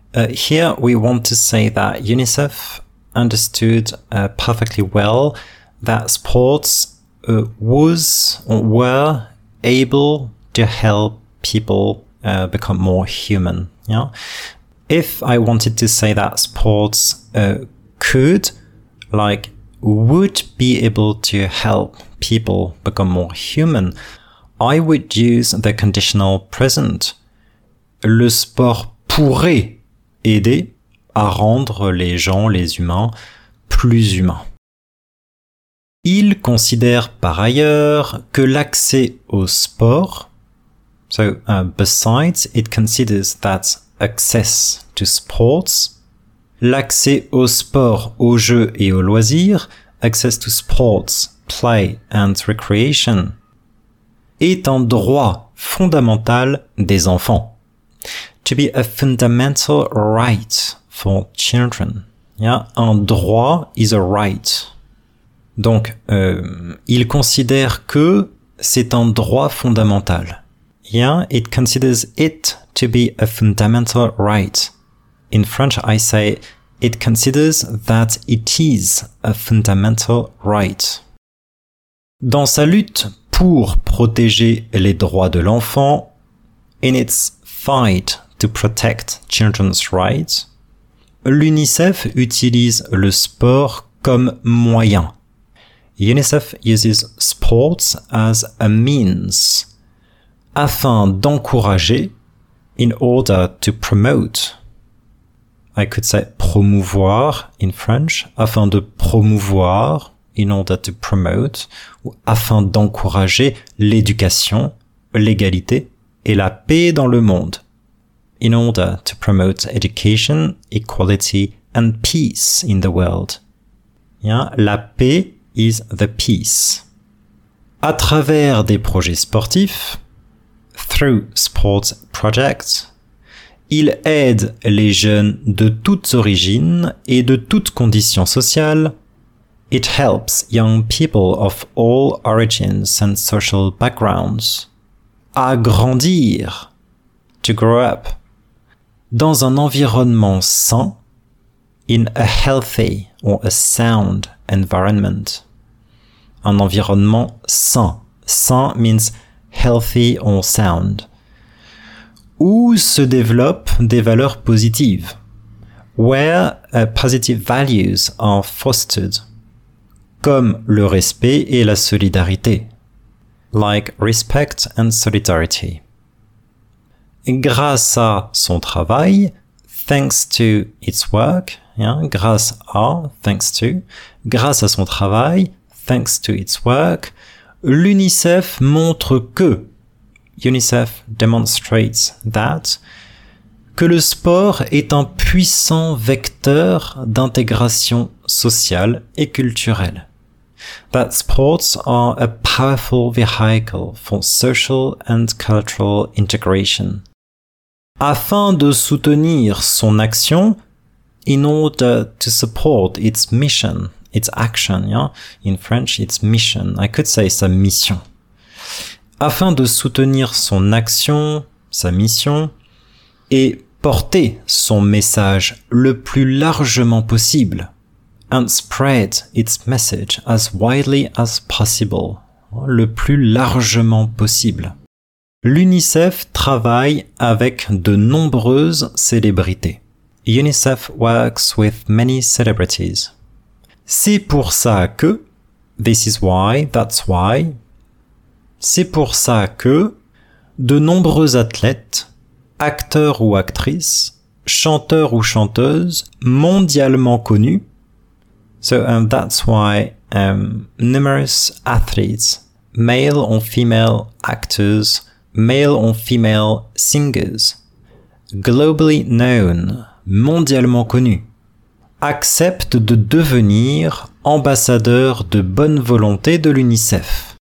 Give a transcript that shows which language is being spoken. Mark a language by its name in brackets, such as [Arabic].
[English] Here we want to say that UNICEF understood perfectly well that sports was or were able to help people become more human. Yeah. If I wanted to say that sports could, like, would be able to help people become more human, I would use the conditional present. [French] Le sport pourrait aider à rendre les gens, les humains, plus humains. Il considère par ailleurs que l'accès au sport, [English] so, besides, it considers that access to sports, [French] l'accès au sport, aux jeux et aux loisirs, [English] access to sports, play and recreation, [French] est un droit fondamental des enfants. [English] To be a fundamental right for children. Yeah? [French] Un droit [English] is a right. [French] Donc, il considère que c'est un droit fondamental. [English] Yeah, it considers it to be a fundamental right. In French, I say, it considers that it is a fundamental right. [French] Dans sa lutte pour protéger les droits de l'enfant, [English] in its fight to protect children's rights, [French] l'UNICEF utilise le sport comme moyen. [English] UNICEF uses sports as a means, [French] afin d'encourager, [English] in order to promote. I could say promouvoir in French, [French] afin de promouvoir, [English] in order to promote, [French] ou afin d'encourager l'éducation, l'égalité et la paix dans le monde. [English] In order to promote education, equality and peace in the world. Yeah, la paix is the peace. [French] À travers des projets sportifs, [English] through sports projects, [French] il aide les jeunes de toutes origines et de toutes conditions sociales. [English] It helps young people of all origins and social backgrounds [French] à grandir, [English] to grow up, [French] dans un environnement sain, [English] in a healthy or a sound environment. [French] Un environnement sain. [English] Sain means healthy or sound. [French] Où se développent des valeurs positives. [English] Where positive values are fostered. [French] Comme le respect et la solidarité. [English] Like respect and solidarity. [French] Grâce à son travail, [English] thanks to its work, [French] yeah, grâce à, [English] thanks to, [French] grâce à son travail, thanks to its work, l'UNICEF montre que, [English] UNICEF demonstrates that, [French] que le sport est un puissant vecteur d'intégration sociale et culturelle. [English] That sports are a powerful vehicle for social and cultural integration. [French] Afin de soutenir son action, [English] in order to support its mission, its action, yeah? In French, its mission. I could say [French] sa mission. Afin de soutenir son action, sa mission, et porter son message le plus largement possible, [English] and spread its message as widely as possible, [French] le plus largement possible. L'UNICEF travaille avec de nombreuses célébrités. [English] UNICEF works with many celebrities. [French] C'est pour ça que, [English] this is why, that's why, [French] c'est pour ça que de nombreux athlètes, acteurs ou actrices, chanteurs ou chanteuses mondialement connus, [English] so that's why numerous athletes, male or female actors, male or female singers, globally known, [French] mondialement connus, acceptent de devenir ambassadeurs de bonne volonté de l'UNICEF.